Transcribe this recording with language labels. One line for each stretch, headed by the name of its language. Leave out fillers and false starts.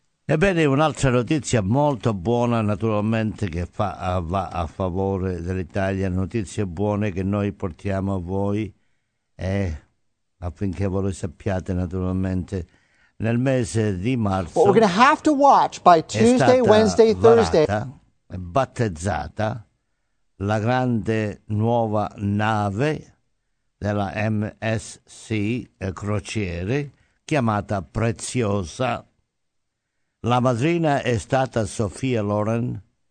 Italian: Ebbene, un'altra notizia molto buona, naturalmente, che va a favore dell'Italia, notizie buone che noi portiamo a voi, affinché voi lo sappiate, naturalmente, nel mese di marzo.
English: But we're going to have to watch by Tuesday, Wednesday, Thursday.
Italian: È stata battezzata la grande nuova nave della MSC Crociere, chiamata Preziosa. La madrina è stata Sophia Loren.